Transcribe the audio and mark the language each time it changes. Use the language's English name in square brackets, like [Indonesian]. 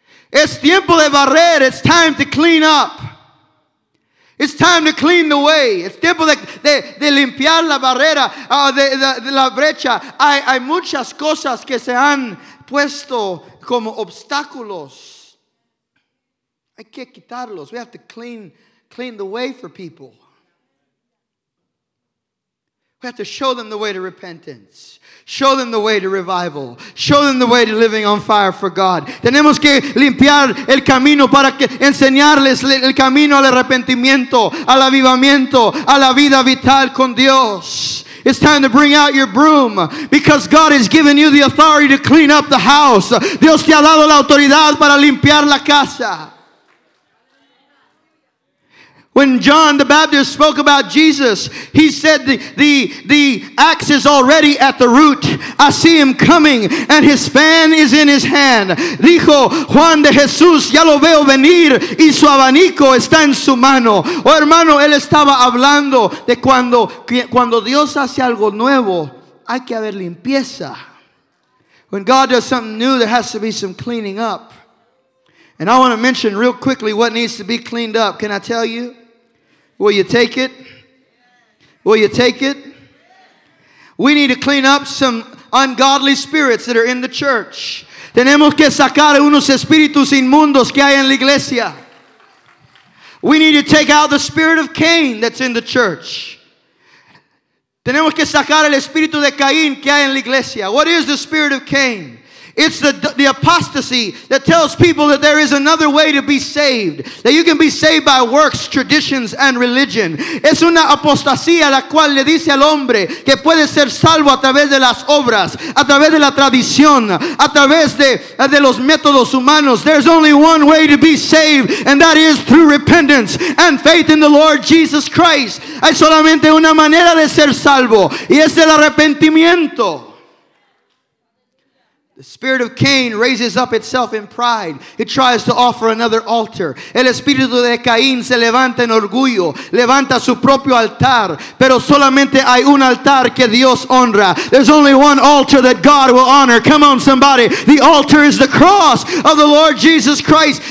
[Spanish] Es tiempo de barrer. [English] It's time to clean up. It's time to clean the way. [Spanish] Es tiempo de limpiar la barrera, de la brecha. Hay muchas cosas que se han puesto como obstáculos. Hay que quitarlos. [English] We have to clean the way for people. We have to show them the way to repentance. Show them the way to revival. Show them the way to living on fire for God. [Spanish] Tenemos que limpiar el camino para que enseñarles el camino al arrepentimiento, al avivamiento, a la vida vital con Dios. [English] It's time to bring out your broom because God has given you the authority to clean up the house. [Spanish] Dios te ha dado la autoridad para limpiar la casa. [English] When John the Baptist spoke about Jesus, he said the axe is already at the root. I see him coming and his fan is in his hand. [Spanish] Dijo Juan de Jesús, ya lo veo venir y su abanico está en su mano. Oh hermano, él estaba hablando de cuando Dios hace algo nuevo, hay que haber limpieza. [English] When God does something new, there has to be some cleaning up. And I want to mention real quickly what needs to be cleaned up. Can I tell you? Will you take it? Will you take it? We need to clean up some ungodly spirits that are in the church. [Spanish] Tenemos que sacar unos espíritus inmundos que hay en la iglesia. [English] We need to take out the spirit of Cain that's in the church. [Spanish] Tenemos que sacar el espíritu de Caín que hay en la iglesia. [English] What is the spirit of Cain? It's the apostasy that tells people that there is another way to be saved. That you can be saved by works, traditions, and religion. [Spanish] Es una apostasía la cual le dice al hombre que puede ser salvo a través de las obras, a través de la tradición, a través de los métodos humanos. [English] There's only one way to be saved, and that is through repentance and faith in the Lord Jesus Christ. [Spanish] Hay solamente una manera de ser salvo, y es el arrepentimiento. [English] The spirit of Cain raises up itself in pride. It tries to offer another altar. [Spanish] El espíritu de Caín se levanta en orgullo. Levanta su propio altar. Pero solamente hay un altar que Dios honra. [English] There's only one altar that God will honor. Come on, somebody. The altar is the cross of the Lord Jesus Christ.